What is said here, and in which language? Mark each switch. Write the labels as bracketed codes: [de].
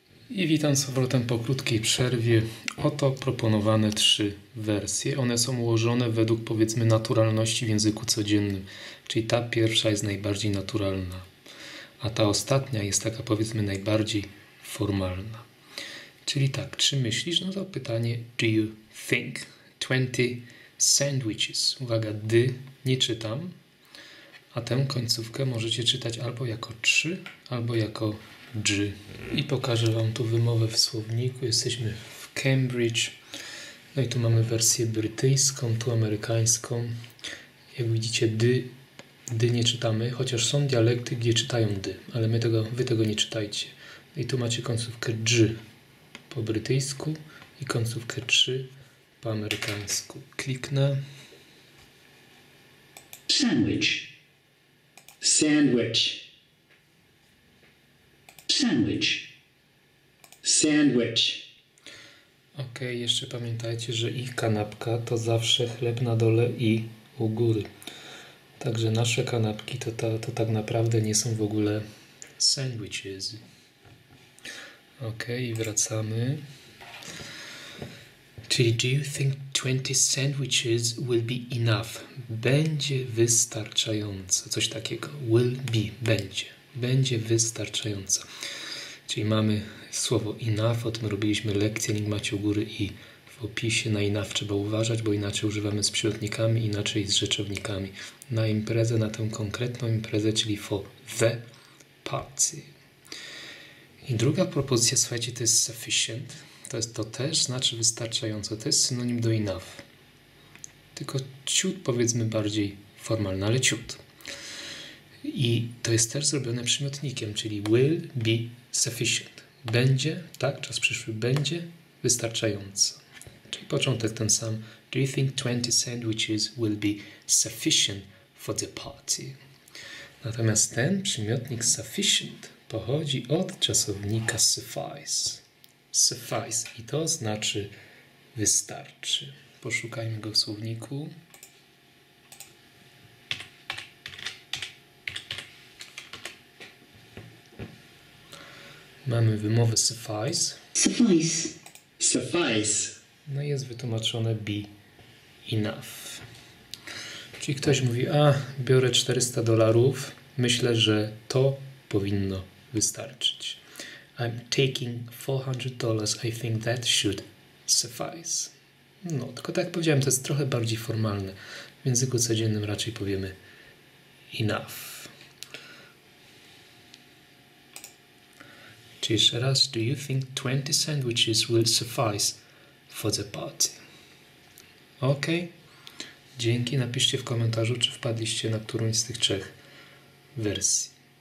[pl] I witam z powrotem po krótkiej przerwie. Oto proponowane 3 wersje. One są ułożone według, powiedzmy, naturalności w języku codziennym. Czyli ta pierwsza jest najbardziej naturalna, a ta ostatnia jest taka, powiedzmy, najbardziej formalna. Czyli tak, czy myślisz? No to pytanie, [en] do you think 20 sandwiches? [pl] Uwaga, dy nie czytam, a tę końcówkę możecie czytać albo jako 3, albo jako G. I pokażę Wam tu wymowę w słowniku. Jesteśmy w Cambridge. No i tu mamy wersję brytyjską, tu amerykańską. Jak widzicie, dy nie czytamy, chociaż są dialekty, gdzie czytają dy, ale wy tego nie czytajcie. No i tu macie końcówkę G po brytyjsku i końcówkę 3 po amerykańsku. Kliknę. [en] Sandwich. Sandwich. Sandwich. Sandwich. [pl] Ok, jeszcze pamiętajcie, że ich kanapka to zawsze chleb na dole i u góry. Także nasze kanapki to tak naprawdę nie są w ogóle sandwiches. Ok, wracamy. Czyli [en] do you think 20 sandwiches will be enough? [pl] Będzie wystarczająco. Coś takiego. [en] Will be. [pl] Będzie. Będzie wystarczająco. Czyli mamy słowo enough, o tym robiliśmy lekcję, link macie u góry i w opisie. Na enough trzeba uważać, bo inaczej używamy z przyrodnikami, inaczej z rzeczownikami. Na imprezę, na tę konkretną imprezę, czyli [en] for the party. [pl] I druga propozycja, słuchajcie, to jest sufficient. To też znaczy wystarczająco, to jest synonim do enough. Tylko ciut, powiedzmy, bardziej formalny, ale ciut. I to jest też zrobione przymiotnikiem, czyli [en] will be sufficient. [pl] Będzie, tak, czas przyszły, będzie wystarczająco. Czyli początek ten sam. [en] Do you think 20 sandwiches will be sufficient for the party? [pl] Natomiast ten przymiotnik sufficient pochodzi od czasownika suffice. Suffice. I to znaczy wystarczy. Poszukajmy go w słowniku. Mamy wymowę suffice. [en] Suffice. Suffice. [pl] No i jest wytłumaczone [en] be enough. [pl] Czyli ktoś mówi, biorę $400, myślę, że to powinno wystarczyć. [en] I'm taking $400, I think that should suffice. [pl] No, tylko tak jak powiedziałem, to jest trochę bardziej formalne. W języku codziennym raczej powiemy enough. Jeszcze raz, [en] do you think 20 sandwiches will suffice for the party? [pl] Ok, dzięki. Napiszcie w komentarzu, czy wpadliście na którąś z tych trzech wersji.